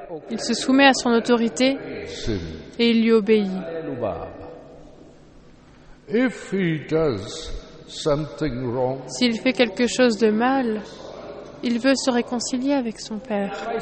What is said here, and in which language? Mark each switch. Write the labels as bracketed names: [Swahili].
[French] Il se soumet à son autorité et il lui obéit. [English] If he does something wrong, [French] s'il fait quelque chose de mal, il veut se réconcilier avec son père.